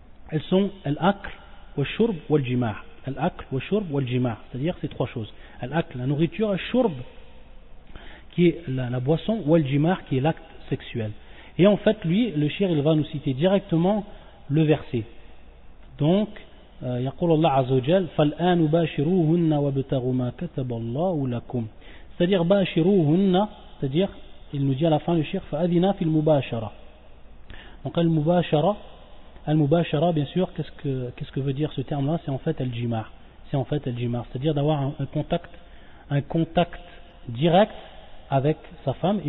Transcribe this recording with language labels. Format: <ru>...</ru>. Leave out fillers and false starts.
<fr>Elles sont al-akl, al-shurb, al-jima'. Al-akl, al-shurb, al-jima', c'est-à-dire ces trois choses. Al-akl, la nourriture, al-shurb, qui est la boisson, ou al-jima', qui est l'acte sexuel. Et en fait, lui, le shir, il va nous citer directement le verset.</fr> <ar>Donc, يقول الله عز وجل فالآن باشروهن وابتغوا ما كتب الله لكم.</ar> <fr>C'est-à-dire باشروهن, c'est-à-dire il nous dit à la fin le shir</fr> <ar>فأذنا في المباشرة.</ar> <fr>Donc Al-Mubashara, bien sûr, qu'est-ce que veut dire ce terme-là ? C'est en fait Al-Jima'. C'est en fait Al-Jima'. C'est-à-dire d'avoir un contact direct avec sa femme.</fr>